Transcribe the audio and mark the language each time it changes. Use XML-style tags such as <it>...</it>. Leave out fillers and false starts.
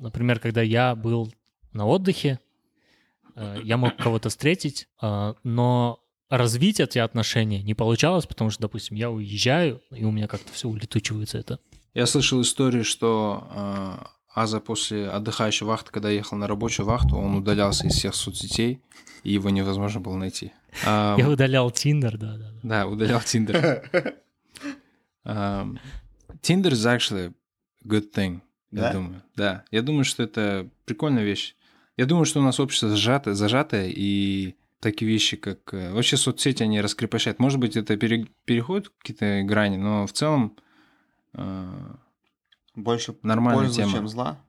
<ru>Например, когда я был на отдыхе, я мог кого-то встретить, но развить эти отношения не получалось, потому что, допустим, я уезжаю, и у меня как-то все улетучивается это. Я слышал историю, что... Аза после отдыхающей вахты, когда ехал на рабочую вахту, он удалялся из всех соцсетей, и его невозможно было найти. Я удалял Tinder, да-да-да. Да, удалял Tinder.</ru> <en>Tinder is actually a good thing,</en> <ru>да? Я думаю. Да, я думаю, что это прикольная вещь. Я думаю, что у нас общество зажатое, и такие вещи, как... Вообще соцсети, они раскрепощают. Может быть, это переход к какие-то грани, но в целом... Больше нормальная пользы, тема. Чем зла.</ru>